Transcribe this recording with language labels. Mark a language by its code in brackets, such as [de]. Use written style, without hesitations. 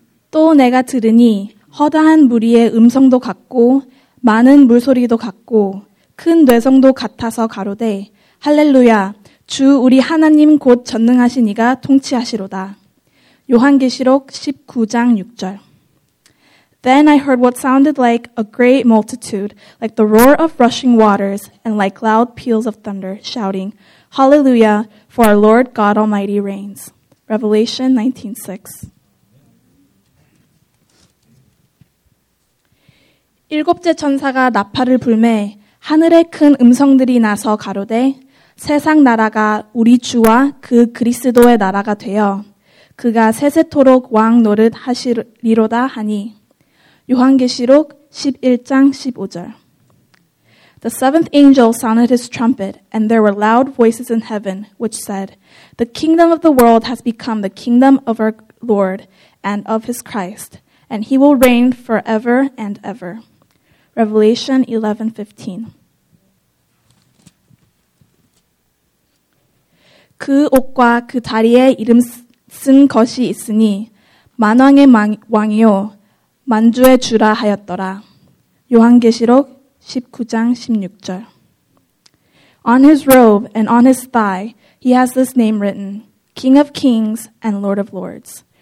[ko] 또 내가 들으니 허다한 무리의 음성도 같고 많은 물소리도 같고 큰 뇌성도 같아서 가로되 할렐루야 주 우리 하나님 곧 전능하신 이가 통치하시로다. 요한계시록 19장 6절. [en] Then I heard what sounded like a great multitude, like the roar of rushing waters and like loud peals of thunder, shouting, Hallelujah, for our Lord God Almighty reigns. Revelation 19:6. [ko] 일곱째 전사가 나팔을 불매 하늘에 큰 음성들이 나서 가로되 세상 나라가 우리 주와 그 그리스도의 나라가 되어 그가 세세토록 왕 노릇 하시리로다 하니 요한계시록 11장 15절 [en] The seventh angel sounded his trumpet, and there were loud voices in heaven, which said, The kingdom of the world has become the kingdom of our Lord and of his Christ, and he will reign forever and ever. Revelation 11:15. [ko] 그 옥과 그 다리에 이름 쓴 것이 있으니 만왕의 왕이요 만주의 주라 하였더라. 요한계시록 19장 16절. [en] On his robe and on his thigh he has this name written, King of Kings and Lord of Lords.